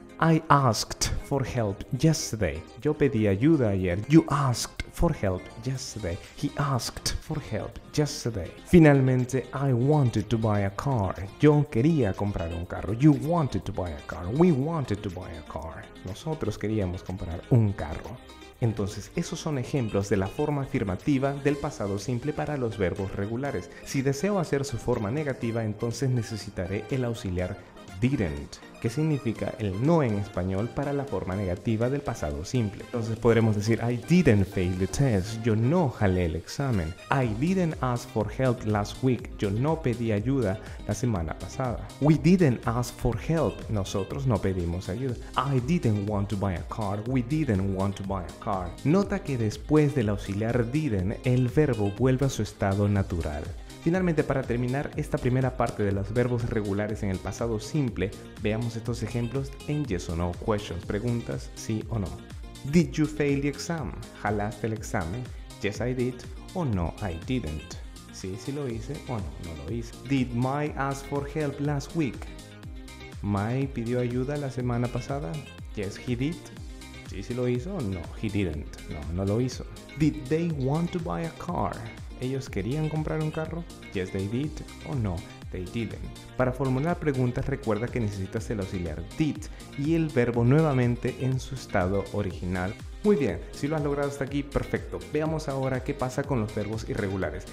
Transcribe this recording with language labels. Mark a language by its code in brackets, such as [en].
[en] I asked for help yesterday. [es] Yo pedí ayuda ayer. [en] You asked for help yesterday. He asked for help yesterday. Finalmente, I wanted to buy a car. [es] Yo quería comprar un carro. [en] You wanted to buy a car. We wanted to buy a car. [es] Nosotros queríamos comprar un carro. Entonces, esos son ejemplos de la forma afirmativa del pasado simple para los verbos regulares. Si deseo hacer su forma negativa, entonces necesitaré el auxiliar didn't, que significa el no en español para la forma negativa del pasado simple. Entonces podremos decir [en] I didn't fail the test, [es] yo no jalé el examen. [en] I didn't ask for help last week, [es] yo no pedí ayuda la semana pasada. [en] We didn't ask for help, [es] nosotros no pedimos ayuda. [en] I didn't want to buy a car, we didn't want to buy a car. [es] Nota que después del auxiliar didn't, el verbo vuelve a su estado natural. Finalmente, para terminar esta primera parte de los verbos regulares en el pasado simple, veamos estos ejemplos en yes o no questions, preguntas sí o no. [en] Did you fail the exam? [es] ¿Jalaste el examen? [en] Yes, I did. [es] O no, [en] I didn't. [es] Sí, sí lo hice. O no, no lo hice. [en] Did Mai ask for help last week? [es] ¿Mai pidió ayuda la semana pasada? [en] Yes, he did. [es] Sí, sí lo hizo. O no, [en] he didn't. [es] No, no lo hizo. [en] Did they want to buy a car? [es] ¿Ellos querían comprar un carro? [en] Yes, they did. [es] O no, [en] they didn't. [es] Para formular preguntas, recuerda que necesitas el auxiliar did y el verbo nuevamente en su estado original. Muy bien, si lo has logrado hasta aquí, perfecto. Veamos ahora qué pasa con los verbos irregulares.